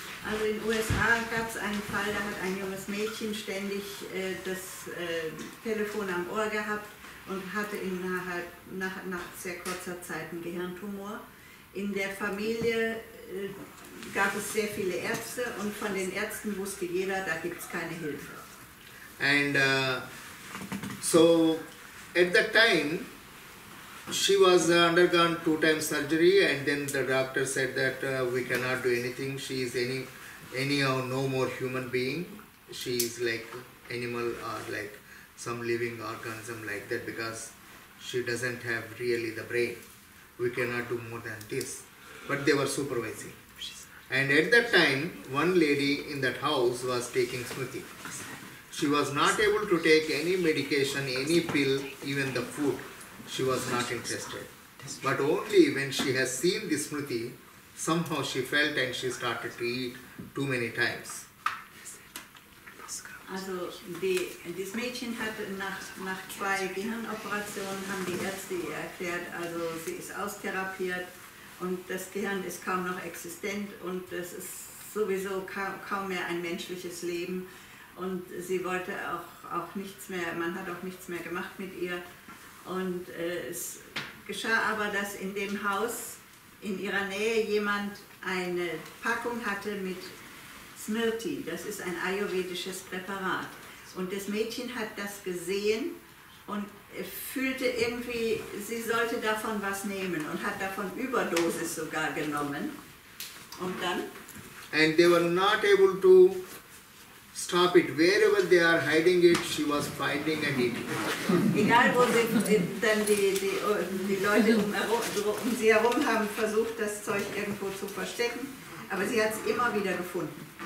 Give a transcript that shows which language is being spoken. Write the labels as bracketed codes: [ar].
[de] Also in USA gab es einen Fall, da hat ein junges Mädchen ständig das Telefon am Ohr gehabt und hatte innerhalb nach sehr kurzer Zeit einen Gehirntumor. In der Familie gab es sehr viele Ärzte und von den Ärzten wusste jeder, da gibt es keine Hilfe. [en] And so at that time, she was undergone 2 times surgery, and then the doctor said that we cannot do anything. She is anyhow no more human being. She is like animal or like some living organism like that, because she doesn't have really the brain. We cannot do more than this. But they were supervising. And at that time, one lady in that house was taking smriti. She was not able to take any medication, any pill, even the food. She was not interested. But only when she has seen this smriti, somehow she felt and she started to eat too many times. [de] Also das Mädchen hat nach 2 Gehirnoperationen, haben die Ärzte ihr erklärt, also sie ist austherapiert und das Gehirn ist kaum noch existent und es ist sowieso kaum mehr ein menschliches Leben und sie wollte auch nichts mehr, man hat auch nichts mehr gemacht mit ihr. Und es geschah aber, dass in dem Haus in ihrer Nähe jemand eine Packung hatte mit Smriti. Das ist ein ayurvedisches Präparat. Und das Mädchen hat das gesehen und fühlte irgendwie, sie sollte davon was nehmen und hat davon Überdosis sogar genommen. Und dann? [en] And they were not able to stop it. Wherever they are hiding it, she was finding and eating. [de] Egal wo sie dann die Leute um sie herum haben versucht, das Zeug irgendwo zu verstecken, aber sie hat es immer wieder gefunden.